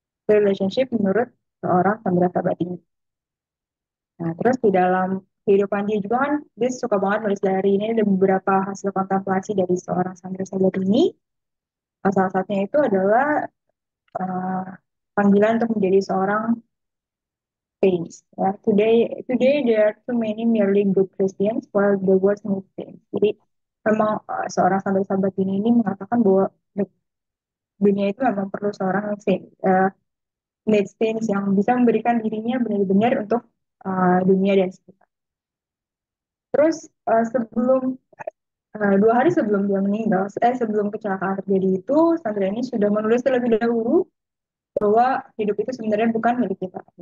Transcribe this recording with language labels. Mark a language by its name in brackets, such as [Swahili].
[Indonesian] Relationship menurut seorang Sandra Sabat ini. Nah, terus di dalam kehidupan dia juga kan, dia suka banget nulis diary. Ini ada beberapa hasil kontemplasi dari seorang Sandra Sabat ini. Salah satunya itu adalah panggilan untuk menjadi seorang saints. Ya. [English] Today, today there are too many merely good Christians while the world needs saints. [Indonesian] Jadi, memang seorang Sandra Sabat ini mengatakan bahwa dunia itu memang perlu seorang saint. [English] Next things [Indonesian] yang bisa memberikan dirinya benar-benar untuk dunia dan sekitar. Terus sebelum 2 hari sebelum dia meninggal, sebelum kecelakaan terjadi itu, Sandra ini sudah menulis terlebih dahulu bahwa hidup itu sebenarnya bukan milik kita.